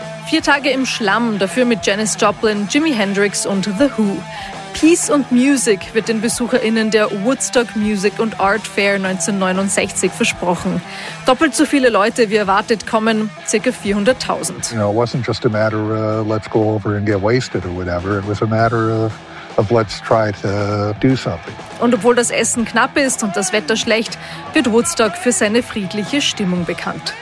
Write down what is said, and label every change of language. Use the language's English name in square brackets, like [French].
[German] 4 Tage im Schlamm, dafür mit Janis Joplin, Jimi Hendrix und The Who. Peace and Music wird den BesucherInnen der Woodstock Music and Art Fair 1969 versprochen. Doppelt so viele Leute wie erwartet kommen, ca. 400.000. [English] You know, it wasn't just a matter of let's go over and get wasted or whatever. It was a matter of let's try to do something. [German] Und obwohl das Essen knapp ist und das Wetter schlecht, wird Woodstock für seine friedliche Stimmung bekannt.